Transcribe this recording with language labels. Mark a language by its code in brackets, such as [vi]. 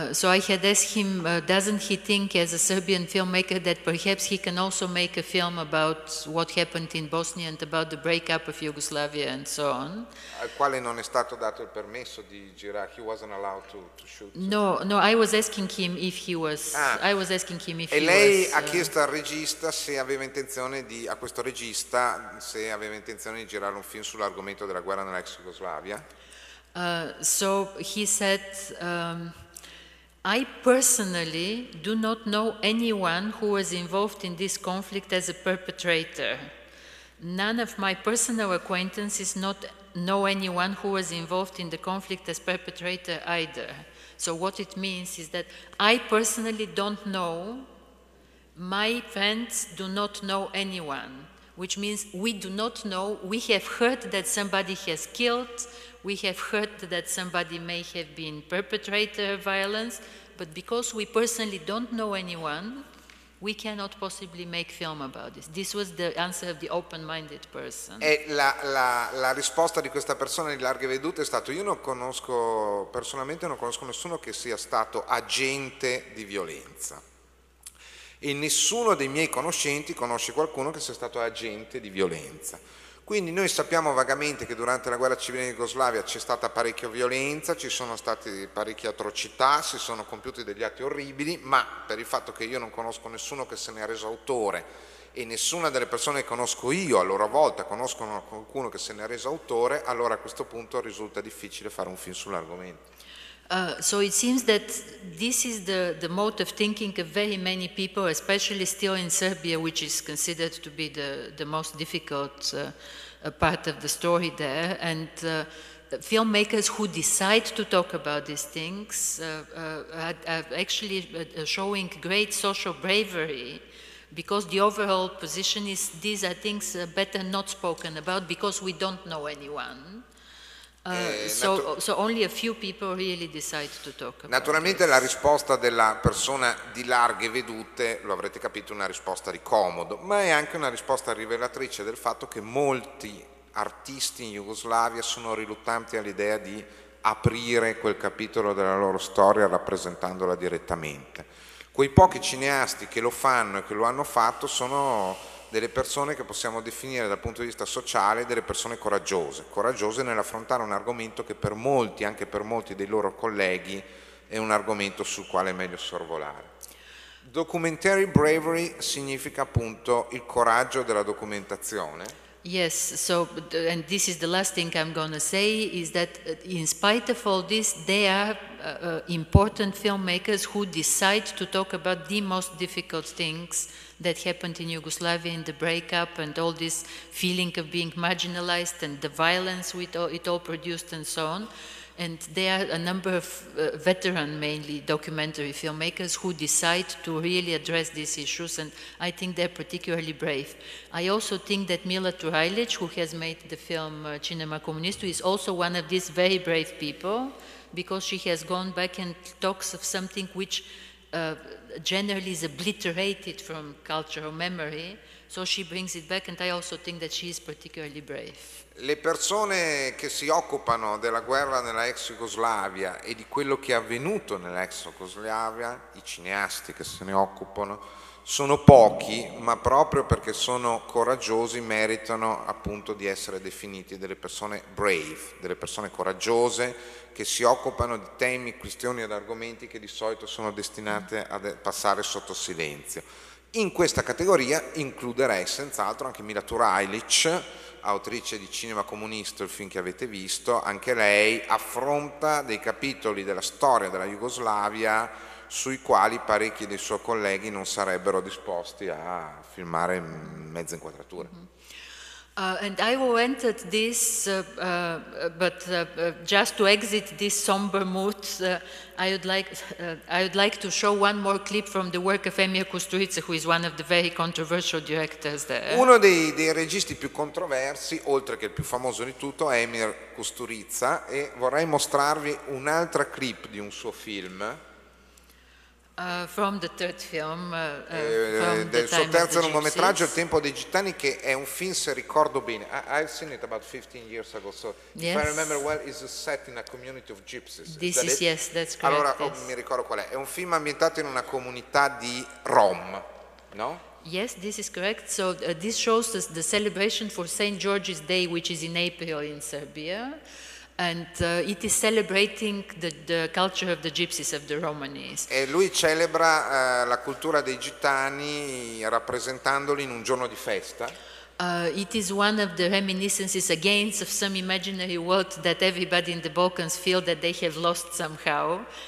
[en] So I had asked him, doesn't he think as a Serbian filmmaker that perhaps he can also make a film about what happened in Bosnia and about the breakup of Yugoslavia and so on? [it] Al quale non è stato dato il permesso di girare, [en] he wasn't allowed to shoot. No, I was asking him if he was, I was asking him if he was. [it] E lei ha chiesto al regista se aveva intenzione di, a questo regista, se aveva intenzione di girare un film sull'argomento della guerra nella ex Jugoslavia. [en] So he said, I personally do not know anyone who was involved in this conflict as a perpetrator. None of my personal acquaintances not know anyone who was involved in the conflict as perpetrator either. So what it means is that I personally don't know, my friends do not know anyone. Which means we do not know, we have heard that somebody has killed, we have heard that somebody may have been perpetrator of violence, but because we personally don't know anyone, we cannot possibly make film about this. This was the answer of the open-minded person. [it] E la risposta di questa persona di larghe vedute è stato: io non conosco, personalmente non conosco nessuno che sia stato agente di violenza. E nessuno dei miei conoscenti conosce qualcuno che sia stato agente di violenza. Quindi noi sappiamo vagamente che durante la guerra civile in Jugoslavia c'è stata parecchia violenza, ci sono state parecchie atrocità, si sono compiuti degli atti orribili, ma per il fatto che io non conosco nessuno che se ne è reso autore e nessuna delle persone che conosco io a loro volta conoscono qualcuno che se ne è reso autore, allora a questo punto risulta difficile fare un film sull'argomento. [en] So it seems that this is the mode of thinking of very many people, especially still in Serbia, which is considered to be the most difficult part of the story there. And filmmakers who decide to talk about these things are actually showing great social bravery, because the overall position is these are things better not spoken about because we don't know anyone. So only a few people really decide to talk about. [it] Naturalmente [en] this. [it] La risposta della persona di larghe vedute, lo avrete capito, è una risposta di comodo, ma è anche una risposta rivelatrice del fatto che molti artisti in Jugoslavia sono riluttanti all'idea di aprire quel capitolo della loro storia rappresentandola direttamente. Quei pochi cineasti che lo fanno e che lo hanno fatto sono delle persone che possiamo definire dal punto di vista sociale delle persone coraggiose, coraggiose nell'affrontare un argomento che per molti, anche per molti dei loro colleghi, è un argomento sul quale è meglio sorvolare. Documentary bravery significa appunto il coraggio della documentazione. [en] Yes, so, and this is the last thing I'm going to say, is that in spite of all this, there are important filmmakers who decide to talk about the most difficult things that happened in Yugoslavia in the breakup and all this feeling of being marginalized and the violence it all produced and so on. And there are a number of veteran, mainly documentary filmmakers, who decide to really address these issues, and I think they're particularly brave. I also think that Mila Turajlić, who has made the film Cinema Comunista, is also one of these very brave people, because she has gone back and talks of something which generally is obliterated from cultural memory, so she brings it back, and I also think that she is particularly brave. [it] Le persone che si occupano della guerra nella ex Jugoslavia e di quello che è avvenuto nella ex Jugoslavia, i cineasti che se ne occupano, sono pochi, ma proprio perché sono coraggiosi meritano appunto di essere definiti delle persone brave, delle persone coraggiose che si occupano di temi, questioni ed argomenti che di solito sono destinate a passare sotto silenzio. In questa categoria includerei senz'altro anche Mila Turajlić, autrice di Cinema Comunista, il film che avete visto. Anche lei affronta dei capitoli della storia della Jugoslavia sui quali parecchi dei suoi colleghi non sarebbero disposti a filmare mezza inquadratura. [en] And I will enter this, but just to exit this somber mood, I would like to show one more clip from the work of Emir Kusturica, who is one of the very controversial directors there. [it] Uno dei registi più controversi, oltre che il più famoso di tutto, è Emir Kusturica, e vorrei mostrarvi un'altra clip di un suo film. [en] From the third film, [it] del suo terzo lungometraggio, Il tempo dei gitani, che è un film, se ricordo bene, [en] I've seen it about 15 years ago, so yes. If I remember well, it's set in a community of gypsies. Yes, that's correct. [it] Allora, [en] yes. [it] Mi ricordo qual è un film ambientato in una comunità di Rom, no? [en] Yes, this is correct. So this shows us the celebration for St. George's Day, which is in April in Serbia. And it is celebrating the culture of the gypsies, of the Romanis. [it] E lui celebra la cultura dei gitani rappresentandoli in un giorno di festa. [en] It is one of the reminiscences again of some imaginary world that everybody in the Balkans feel that they have lost somehow.